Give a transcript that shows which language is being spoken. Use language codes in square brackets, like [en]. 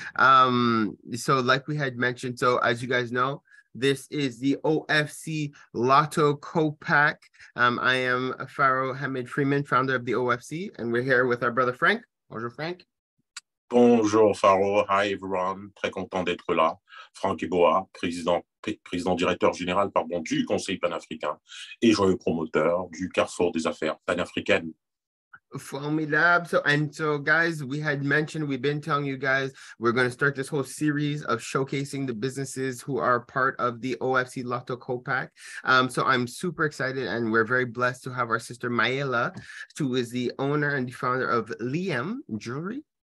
[en] So like we had mentioned, so as you guys know, this is the OFC Lotto Co-Pack. I am Pharaoh Hamid Freeman, founder of the OFC, and we're here with our brother Frank. [fr] Bonjour, Frank. Bonjour, Pharaoh. [en] Hi, everyone. [fr] Très content d'être là. Frank Eboa, président directeur général pardon, du Conseil panafricain et joyeux promoteur du Carrefour des affaires panafricaines. Formidable. [en] So guys, we had mentioned, we've been telling you guys, we're going to start this whole series of showcasing the businesses who are part of the OFC Lotto Co-Pack. So I'm super excited and we're very blessed to have our sister Mayela, who is the owner and the founder of Liam Jewelry.